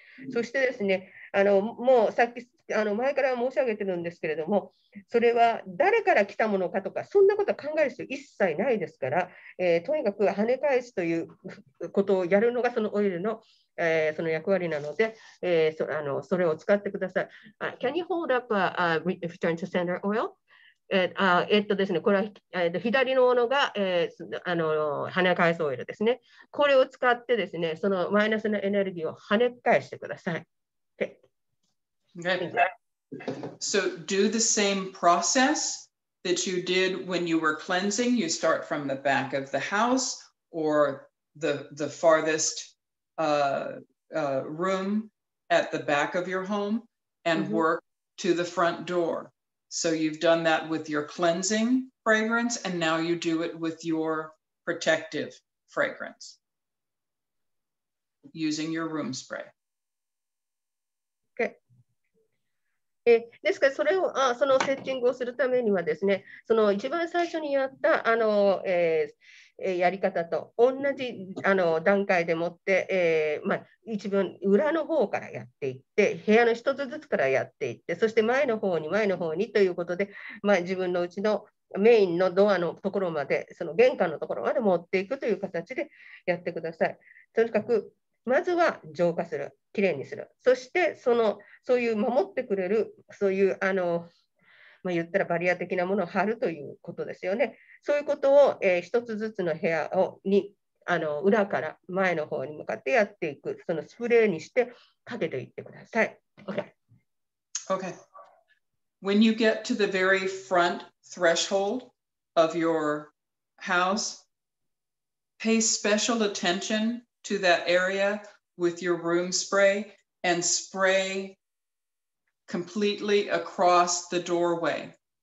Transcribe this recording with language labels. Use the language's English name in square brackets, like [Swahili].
[Japanese] そしてですね、もうさっき前から申し上げてるんですけれども、それは誰から来たものかとか、そんなことは考える必要一切ないですから、とにかく跳ね返すということをやるのがそのオイルの、その役割なので、それを使ってください。 [English] Can you hold up a return to sender oil? [Japanese] ですね、これは、左のものが、跳ね返すオイルですね。これを使ってですね、そのマイナスのエネルギーを跳ね返してください。 [English] Okay. So do the same process that you did when you were cleansing. You start from the back of the house or the farthest room at the back of your home and mm-hmm. work to the front door. So you've done that with your cleansing fragrance and now you do it with your protective fragrance using your room spray. [Japanese] ですからそれをそのセッティングをするためにはですね、その一番最初にやったやり方と同じ段階でもって、まあ、一番裏の方からやっていって、部屋の一つずつからやっていって、そして前の方に前の方にということで、まあ、自分のうちのメインのドアのところまで、その玄関のところまで持っていくという形でやってください。とにかくまずは浄化する、きれいにする。そしてそういう守ってくれる、そういう言ったらバリア的なものを貼るということですよね。そういうことを、一つずつの部屋をに裏から前の方に向かってやっていく、そのスプレーにしてかけていってください。 [English] Okay. Okay. When you get to the very front threshold of your house, pay special attention. To that area with your room spray and spray completely across the doorway.